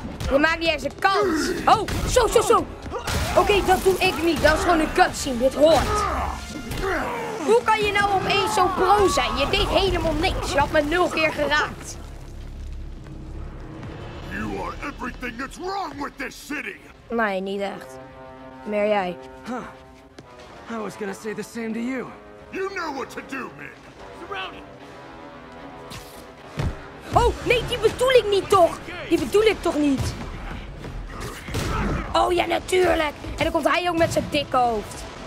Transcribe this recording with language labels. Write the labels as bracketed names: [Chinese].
[Dutch] We maken hier eens een kans. Oh, zo. Oké, dat doe ik niet. Dat is gewoon een cutscene. Dit hoort. Hoe kan je nou opeens zo pro zijn? Je deed helemaal niks. Je had me 0 keer geraakt. [English] You are everything that's wrong with this city. [Dutch] Nee, niet echt. Meer jij. Huh. [English] I was gonna say the same to you. You know what to do, man. Surround it. [Dutch] Oh, nee, die bedoel ik niet toch. Die bedoel ik toch niet. Oh ja, natuurlijk. En dan komt hij ook met zijn dikke hoofd.